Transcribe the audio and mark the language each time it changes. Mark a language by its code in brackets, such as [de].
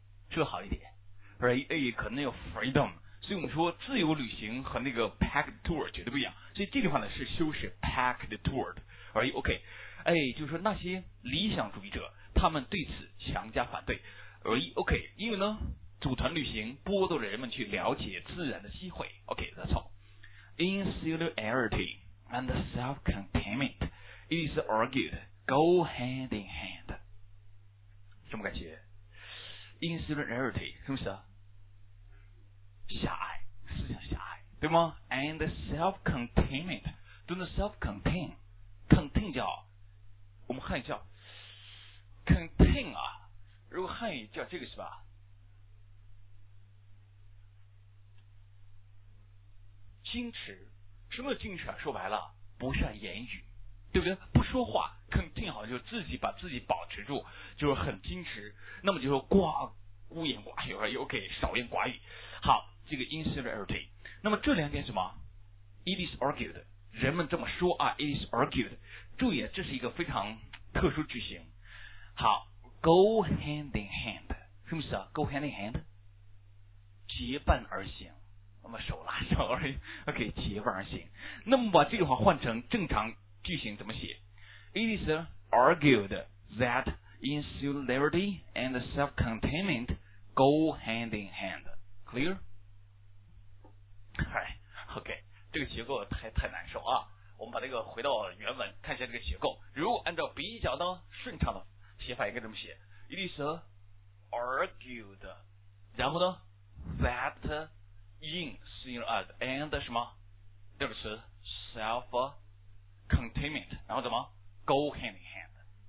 [zh] 是不是好一点 ？Right， 可能有 freedom。所以我们说自由旅行和那个 packed tour 绝对不一样，所以这句话呢是修饰 packed tour 而已。 OK， 哎，就是说那些理想主义者他们对此强加反对而已。 OK， 因为呢组团旅行剥夺了人们去了解自然的机会。 [en] OK， that's all。 Insularity and self-containment it is argued go hand in hand。 [zh] 什么感觉？ Insularity 是不是啊？狭隘，思想狭隘，对吗？ [en] And self-containment， do not self-contain， [zh] contain 叫我们汉语叫 contain 啊，如果汉语叫这个是吧，矜持。什么矜持啊？说白了不善言语，对不对？不说话， contain 好像就是自己把自己保持住，就是很矜持，那么就是孤言寡语。 OK， 少言寡语。好，这个 insularity， 那么这两点什么？ [en] It is argued， [zh] 人们这么说啊。 It is argued， 注意，这是一个非常特殊句型。好， [en] go hand in hand， [zh] 什么意思啊 ？ [en] Go hand in hand， [zh] 结伴而行，我们手拉手而已 ，OK， 结伴而行。 [en] 那么把这句话换成正常句型怎么写 ？It is argued that insularity and self-containment go hand in hand. Clear？ [zh] Alright， OK， 这个结构太难受啊。我们把这个回到原文，看一下这个结构。如果按照比较的顺畅的写法，应该这么写 ： [en] It is argued， [zh] 然后呢 ，that insularity and 什么这个词 self-containment， 然后怎么 [en] go hand in hand？